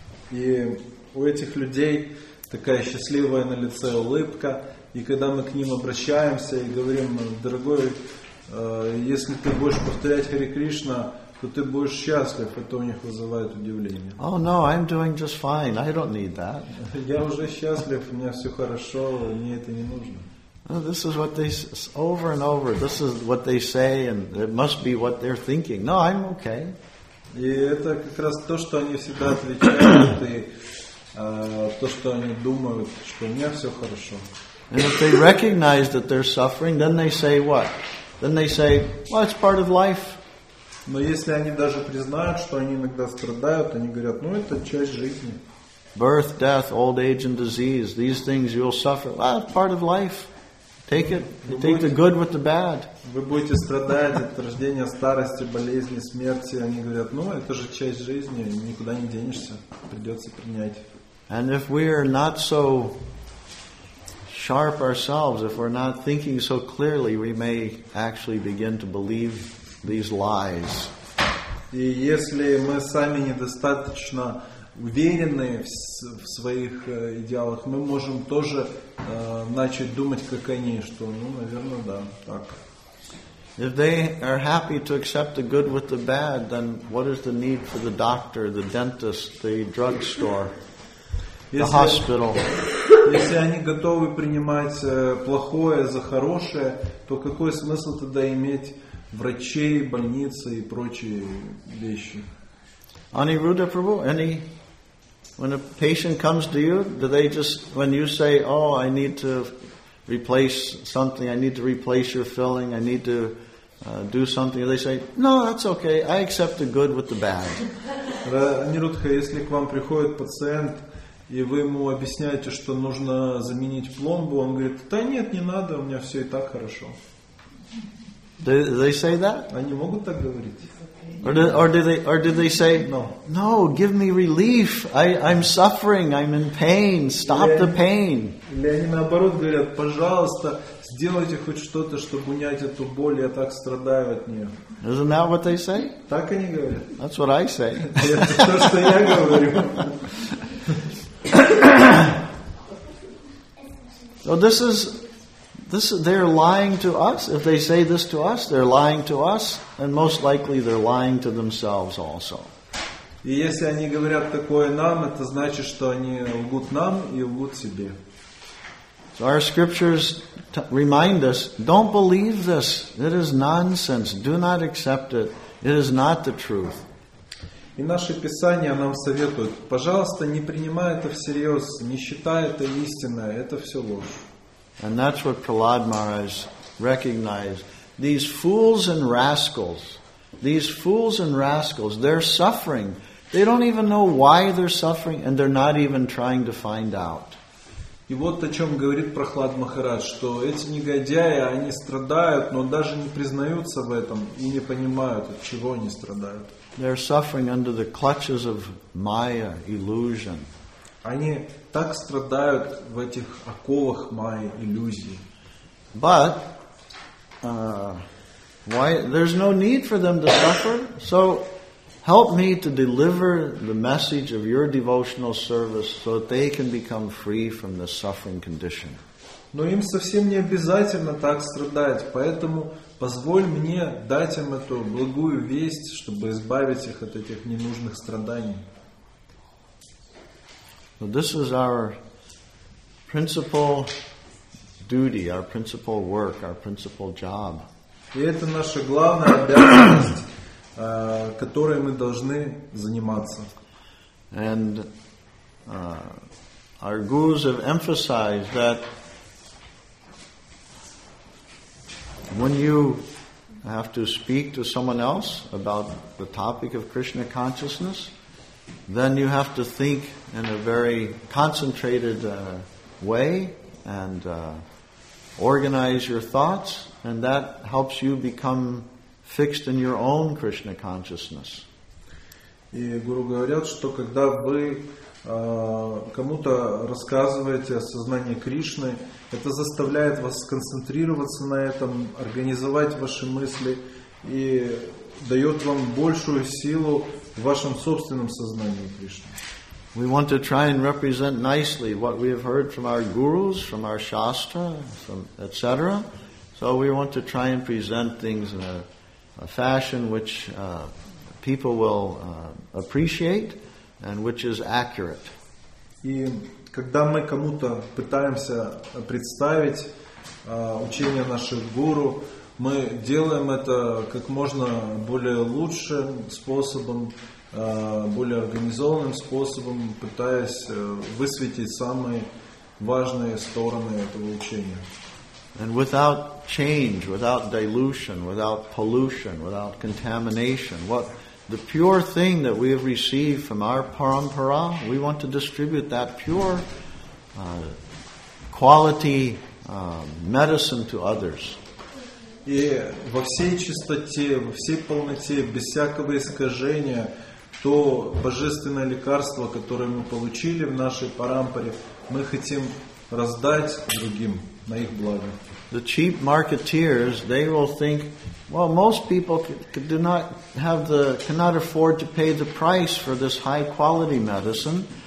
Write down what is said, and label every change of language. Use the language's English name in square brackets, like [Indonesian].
[Russian] И у этих людей такая счастливая на лице улыбка. И когда мы к ним обращаемся и говорим, дорогой, если ты будешь повторять Хари Кришна, то ты будешь счастлив, это у них вызывает удивление. [English] Oh no, I'm doing just fine, I don't need that. [Russian] Я уже счастлив, у меня все хорошо, мне это не нужно. [English] This is what they over and over, this is what they say, and it must be what they're thinking. No, I'm okay. [Russian] И это как раз то, что они всегда отвечают, и то, что они думают, что у меня все хорошо. [English] And if they recognize that they're suffering, then they say what? Then they say, well, it's part of life. [Russian] Но если они даже признают, что они иногда страдают, они говорят, ну, это часть жизни. [English] Birth, death, old age and disease, these things you'll suffer. Well, it's part of life. Take it. Take the good with the bad. [Russian] Вы будете страдать от рождения, старости, болезни, смерти. Они говорят, ну, это же часть жизни, никуда не денешься, придется принять. [English] And if we are not so sharp ourselves, if we're not thinking so clearly, we may actually begin to believe these lies. [Russian] И если мы сами недостаточно уверены в своих идеалах, мы можем тоже начать думать, как они, что, ну, наверное, да, так. [English] If they are happy to accept the good with the bad, then what is the need for the doctor, the dentist, the drugstore, the hospital? [Russian] Если они готовы принимать плохое за хорошее, то какой смысл тогда иметь врачей, больницы и прочие вещи? [English] Anirudha Prabhu, when a patient comes to you, do they just, when you say, oh, I need to replace something, I need to replace your filling, I need to do something, they say, no, that's okay, I accept the good with the bad. [Russian] Anirudha, если к вам приходит пациент, и вы ему объясняете, что нужно заменить пломбу, он говорит, да нет, не надо, у меня все и так хорошо. [English] They say that? [Russian] Они могут так говорить? [English] Or do they say, No, give me relief. I'm suffering. I'm in pain. Stop the pain. [Russian] Или они наоборот говорят, пожалуйста, сделайте хоть что-то, чтобы унять эту боль. Я так страдаю от нее. [English] Isn't that what they say? [Russian] Так они говорят. [English] That's what I say. [Russian] Это то, что я говорю. [English] So this is, they're lying to us. If they say this to us, they're lying to us, and most likely they're lying to themselves also. [Russian] И если они говорят такое нам, это значит, что они лгут нам и лгут себе. [English] So our scriptures remind us, don't believe this. It is nonsense. Do not accept it. It is not the truth. [Russian] И наши писания нам советуют, пожалуйста, не принимай это всерьез, не считай это истиной, это все ложь. [English] And that's what Prahlad Maharaj recognized. These fools and rascals, they're suffering. They don't even know why they're suffering, and they're not even trying to find out. [Russian] И вот о чем говорит Прохлад Махарадж, что эти негодяи, они страдают, но даже не признаются в этом и не понимают, от чего они страдают. [English] They're suffering under the clutches of Maya, illusion. [Russian] Они так страдают в этих оковах Майи, иллюзии. [English] But why? There's no need for them to suffer. So help me to deliver the message of your devotional service so that they can become free from the suffering condition. [Russian] Но им совсем не обязательно так страдать, поэтому позволь мне дать им эту благую весть, чтобы избавить их от этих ненужных страданий. [English] So this is our principal duty, our principal work, our principal job. [Russian] И это наша главная обязанность, которой мы должны заниматься. [English] And our gurus have emphasized that when you have to speak to someone else about the topic of Krishna consciousness, then you have to think in a very concentrated way and organize your thoughts, and that helps you become fixed in your own Krishna consciousness. [Russian] И гуру говорят, что когда вы кому-то рассказываете о сознании Кришны, это заставляет вас сконцентрироваться на этом, организовать ваши мысли и дает вам большую силу в вашем собственном сознании Кришны. [English] We want to try and represent nicely what we have heard from our gurus, from our shastra, from etc. So we want to try and present things in a fashion which people will appreciate and which is accurate. [Russian] И когда мы кому-то пытаемся представить учение наших гуру, мы делаем это как можно более лучшим способом, более организованным способом, пытаясь высветить самые важные стороны этого учения. [English] And without change, without dilution, without pollution, without contamination, what the pure thing that we have received from our parampara, we want to distribute that pure quality medicine to others. [Russian] И во всей чистоте, во всей полноте, без всякого искажения, то божественное лекарство, которое мы получили в нашей парампаре, мы хотим раздать другим на их благо. [English] The cheap marketeers, they will think, well, most people cannot afford to pay the price for this high quality medicine.